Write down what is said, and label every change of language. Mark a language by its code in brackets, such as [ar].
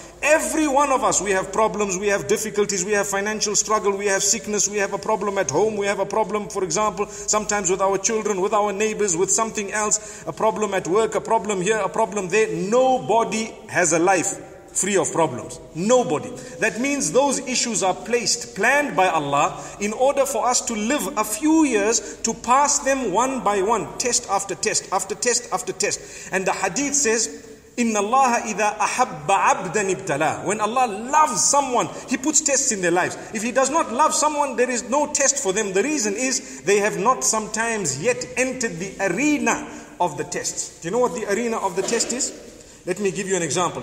[en] Every one of us, we have problems, we have difficulties, we have financial struggle, we have sickness, we have a problem at home, we have a problem, for example, sometimes with our children, with our neighbors, with something else, a problem at work, a problem here, a problem there. Nobody has a life free of problems. Nobody. That means those issues are placed, planned by Allah, in order for us to live a few years to pass them one by one, test after test, after test after test. And the hadith says, [ar] إِنَّ اللَّهَ إِذَا أَحَبَّ عَبْدًا ابْتَلَى. [en] When Allah loves someone, He puts tests in their lives. If He does not love someone, there is no test for them. The reason is, they have not sometimes yet entered the arena of the tests. Do you know what the arena of the test is? Let me give you an example.